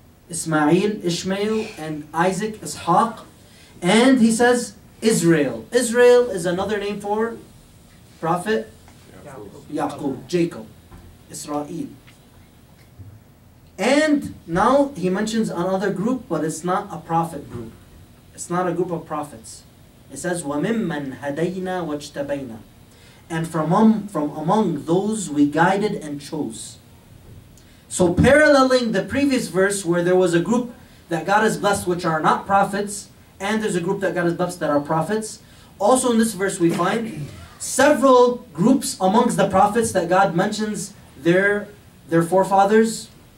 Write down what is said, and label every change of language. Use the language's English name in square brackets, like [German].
[English] Ismail, Ishmael, and Isaac, Ishaq. And he says, Israel. Israel is another name for Prophet Yaqub, Jacob, Israel. And now he mentions another group, but it's not a prophet group. It's not a group of prophets. It says, [Arabic] وَمِمَّنْ هَدَيْنَا وَاجْتَبَيْنَا. [English] And from among those we guided and chose. So paralleling the previous verse where there was a group that God has blessed which are not prophets, and there's a group that God has blessed that are prophets, also in this verse we find several groups amongst the prophets that God mentions their forefathers.